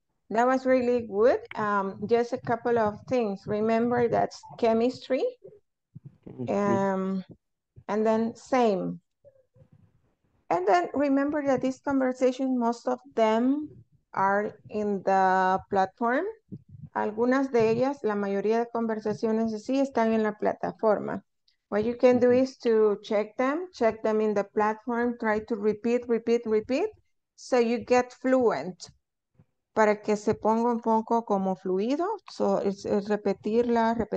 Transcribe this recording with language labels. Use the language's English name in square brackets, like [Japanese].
[English] That was really good. Just a couple of things. Remember, that's chemistry. And then same. And then remember that this conversation, most of them are in the platform. [Spanish] Algunas de ellas, la mayoría de conversaciones, sí están en la plataforma. [English] What you can do is to check them in the platform, try to repeat, so you get fluent. [Spanish] Para que se ponga un poco como fluido, [English] so it's [Spanish] repetirla.